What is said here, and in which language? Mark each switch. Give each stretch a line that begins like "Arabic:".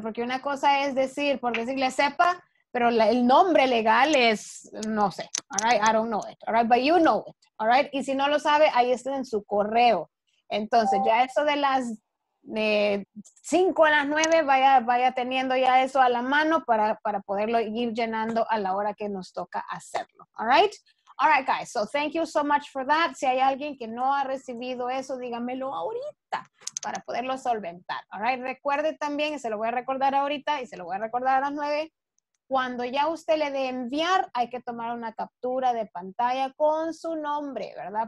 Spanish: Porque una cosa es decir, por decirle SEPA, pero la, el nombre legal es, no sé,
English: all right, I don't know it, all right,
Spanish: but you know it, all right, y si no lo sabe, ahí está en su correo. Entonces, ya eso de las 5 a las 9, vaya teniendo ya eso a la mano para poderlo ir llenando a la hora que nos toca hacerlo,
English: all right? All right, guys, so thank you so much for that.
Spanish: Si hay alguien que no ha recibido eso, dígamelo ahorita para poderlo solventar,
English: all right?
Spanish: Recuerde también, y se lo voy a recordar ahorita y se lo voy a recordar a las 9, cuando ya usted le dé enviar, hay que tomar una captura de pantalla con su nombre, ¿verdad?